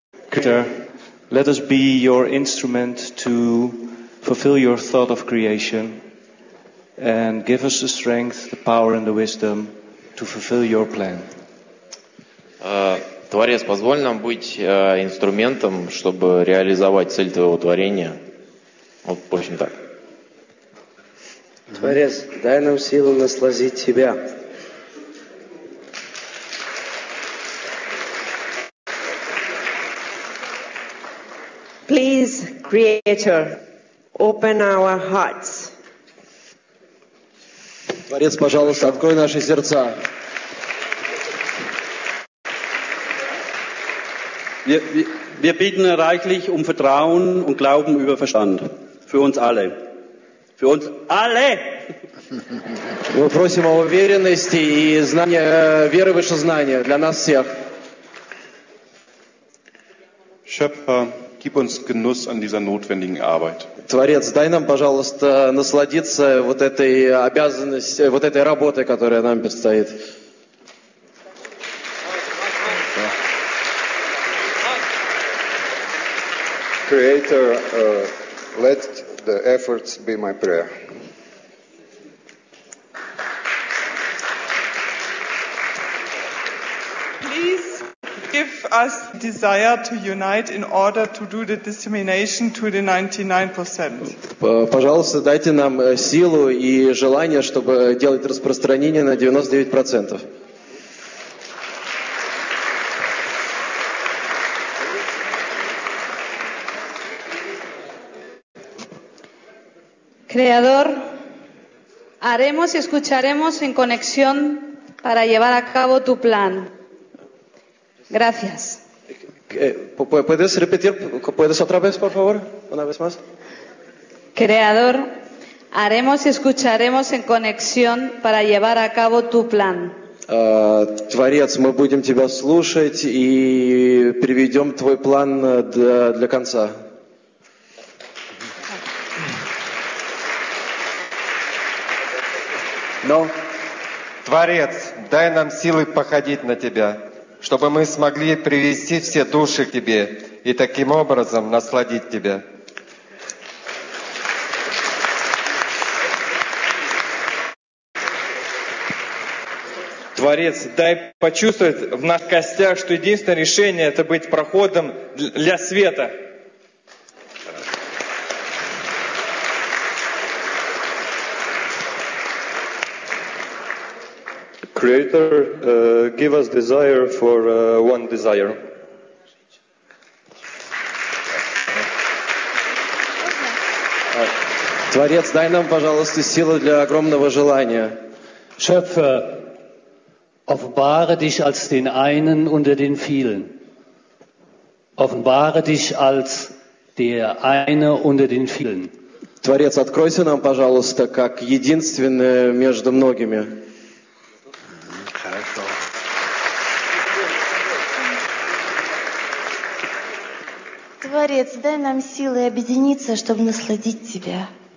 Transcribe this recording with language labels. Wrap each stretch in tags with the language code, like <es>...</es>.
<en>Creator, let us be your instrument to fulfill your thought of creation. And give us the strength, the power and the wisdom to fulfill your plan.</en> <ru>Творец, позволь нам быть инструментом, чтобы реализовать цель твоего творения. Вот, в общем, так. Творец, дай нам силу насладить тебя.</ru> <en>Please, Creator, open our hearts.</en> <ru>Творец, пожалуйста, открой наши сердца.</ru> <de>Wir bitten reichlich um Vertrauen und Glauben über Verstand. Für uns alle. Für uns alle!</de> <ru>Мы просим о уверенности и знания, веры выше знания для нас всех.</ru> <de>Schöpfer, gib uns Genuss an dieser notwendigen Arbeit.</de> <ru>Творец, дай нам, пожалуйста, насладиться вот этой обязанностью, вот этой работой, которая нам предстоит.</ru> <en>Creator, let the efforts be my prayer. Please give us desire to unite in order to do the dissemination to the 99%.</en> <ru>Пожалуйста, дайте нам силу и желание, чтобы делать распространение на 99%.</ru> <es>Creador, haremos y escucharemos en conexión para llevar a cabo tu plan. Gracias. ¿Puedes repetir? ¿Puedes otra vez, por favor? Una vez más. Creador, haremos y escucharemos en conexión para llevar a cabo tu plan.</es> <ru>Творец, мы будем тебя слушать и приведем твой план для конца. Но, Творец, дай нам силы походить на Тебя, чтобы мы смогли привести все души к Тебе и таким образом насладить Тебя. Творец, дай почувствовать в наших костях, что единственное решение – это быть проходом для света.</ru> <en>Creator, give us desire for one desire.</en> <ru>Творец, дай нам, пожалуйста, силы для огромного желания.</ru> <de>Schöpfer, offenbare dich als den einen unter den vielen. Offenbare dich als der eine unter den vielen.</de> <ru>Творец, откройся нам, пожалуйста, как единственное между многими. Творец, дай нам силы объединиться, чтобы насладить Тебя.</ru>